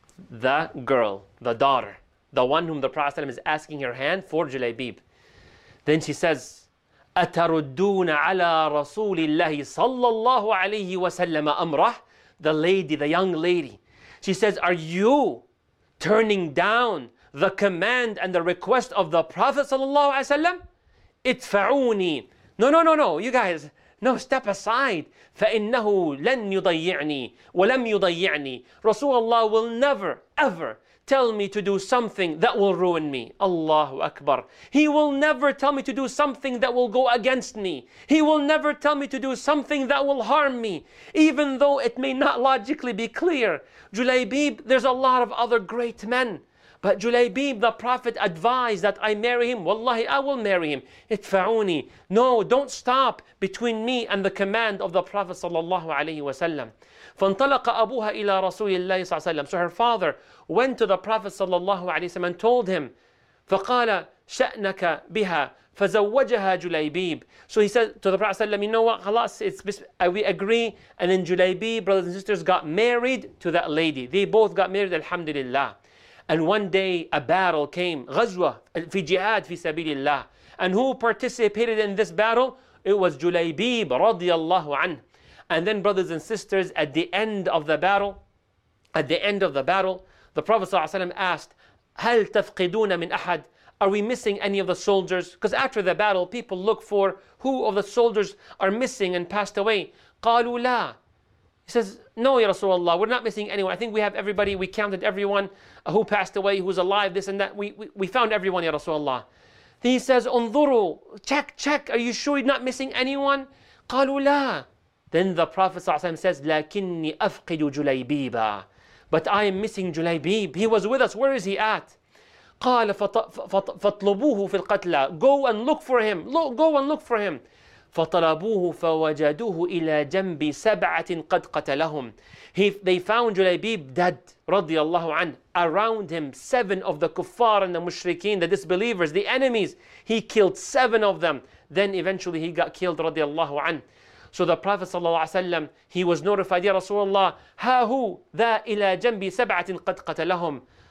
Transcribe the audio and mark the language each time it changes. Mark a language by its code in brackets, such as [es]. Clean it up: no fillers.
[en] the girl, the daughter, the one whom the Prophet is asking her hand for Julaybib. Then she says, [ar] أَتَرُدُّونَ عَلَىٰ رَسُولِ اللَّهِ صَلَّى اللَّهُ عَلَيْهِ وَسَلَّمَ أَمْرَهُ. [en] The lady, the young lady, she says, are you turning down the command and the request of the Prophet sallallahu alaihi wasallam? [ar] اتفعوني. [en] No, you guys, no, step aside. [ar] فإنه لن يضيعني ولم يضيعني. [en] Rasulullah will never, ever tell me to do something that will ruin me. Allahu Akbar. He will never tell me to do something that will go against me. He will never tell me to do something that will harm me. Even though it may not logically be clear. Julaybib, there's a lot of other great men. But Julaybib, the Prophet advised that I marry him. Wallahi, I will marry him. Itfa'uni. No, don't stop between me and the command of the Prophet sallallahu alayhi wa sallam. [ar] فانطلق أبوها إلى رسول الله صلى الله عليه وسلم. [en] So her father went to the Prophet صلى الله عليه وسلم and told him. [ar] فقال شأنك بها فزوجها جليبيب. [en] So he said to the Prophet صلى الله عليه وسلم, you know what, خلاص, we agree. And then جليبيب, brothers and sisters, got married to that lady. They both got married, alhamdulillah. And one day a battle came. [ar] غزوة في جهاد في سبيل الله. [en] And who participated in this battle? It was جليبيب رضي الله عنه. And then, brothers and sisters, at the end of the battle, the Prophet ﷺ asked, [ar] هَلْ تَفْقِدُونَ مِنْ أَحَدٍ. [en] Are we missing any of the soldiers? Because after the battle, people look for who of the soldiers are missing and passed away. [ar] قَالُوا لَا. [en] He says, no, Ya Rasulullah, we're not missing anyone. I think we have everybody. We counted everyone who passed away, who's alive, this and that. We found everyone, Ya Rasulullah. Then he says, [ar] انظروا. [en] Check. Are you sure you're not missing anyone? [ar] قَالُوا لَا. [en] Then the Prophet ﷺ says, [ar] لَكِنِّي أَفْقِدُ جُلَيْبِيبًا. [en] But I am missing Julaybib. He was with us. Where is he at? [ar] قال فطلبوه في القتلى. [en] Go and look for him. [ar] فطلبوه فوجدوه إلى جنب سبعة قد قتلهم. [en] They found Julaybib dead, رضي الله عنه. Around him, seven of the kuffar and the mushrikeen, the disbelievers, the enemies. He killed seven of them. Then eventually he got killed, رضي الله عنه. So the Prophet sallallahu alaihi wasallam, he was notified, Ya Rasulullah, [ar] ha hu dha ila jambi sab'atin qad qatalahum.